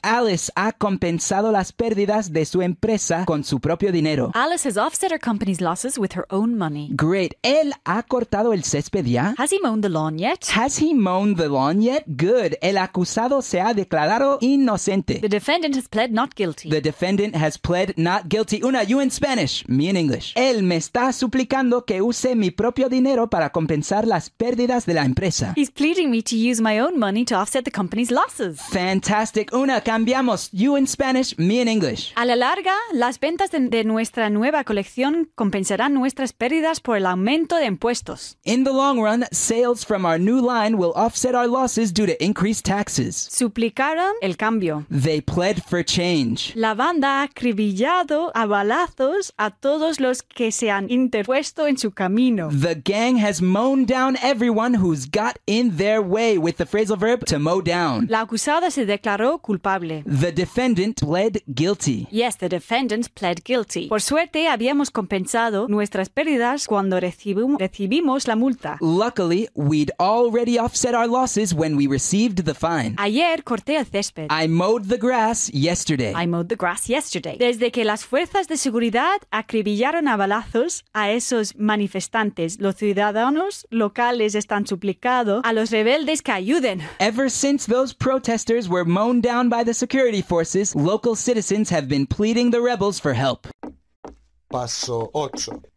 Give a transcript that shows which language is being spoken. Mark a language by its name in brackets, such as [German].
[Spanish] Alice ha compensado las pérdidas de su empresa con su propio dinero. [English] Alice has offset her company's losses with her own money. [Spanish] Great. ¿Él ha cortado el césped ya? [English] Has he mown the lawn yet? Has he mown the lawn yet? Good. [Spanish] El acusado se ha declarado inocente. [English] The defendant has pled not guilty. The defendant has pled not guilty. Una, you in Spanish, me in English. [Spanish] Él me está suplicando que use mi propio dinero para compensar las pérdidas de la empresa. [English] He's pleading me to use my own money to offset the company's losses. Fantastic. Una, cambiamos. You in Spanish, me in English. [Spanish] A la larga, las ventas de nuestra nueva colección compensarán nuestras pérdidas por el aumento de impuestos. [English] In the long run, sales from our new line will offset our losses due to increased taxes. [Spanish] Suplicaron el cambio. [English] They pled for change. [Spanish] La banda ha acribillado a balazos a todos los que se han interpuesto en su camino. [English] The gang has mown down everyone who's got in their way with the phrasal verb to mow down. [Spanish] La acusada se declaró culpable. [English] The defendant pled guilty. Yes, the defendant pled guilty. [Spanish] Por suerte, habíamos compensado nuestras pérdidas cuando recibimos la multa. [English] Luckily, we'd already offset our losses when we received the fine. [Spanish] Ayer corté el césped. [English] I mowed the grass yesterday. I mowed the grass yesterday. [Spanish] Desde que las fuerzas de seguridad acribillaron a balazos a esos manifestantes, los ciudadanos locales están suplicando a los rebeldes que ayuden. [English] Ever since those protesters were mown down by the security forces, local citizens have been pleading the rebels for help. [Spanish] Paso 8.